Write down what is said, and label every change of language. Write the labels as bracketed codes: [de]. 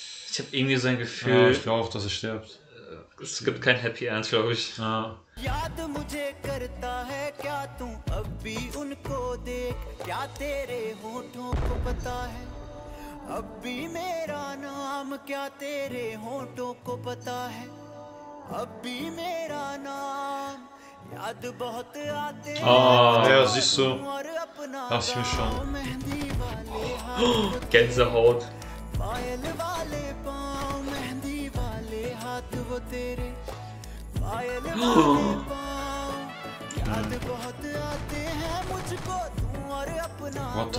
[de] Ich hab irgendwie so ein Gefühl. Ja, ich glaube auch, dass er stirbt. Es gibt kein Happy End, glaube ich. Ja. [hi] याद मुझे करता है क्या तू अब भी उनको देख क्या तेरे होठों को पता है अब भी मेरा नाम क्या तेरे होठों को पता है अब भी मेरा नाम याद बहुत आते हैं [de] ja siehst du das ist mir schon Gänsehaut [hi] पायल वाले पांव मेहंदी वाले हाथ वो तेरे [en] What the fuck?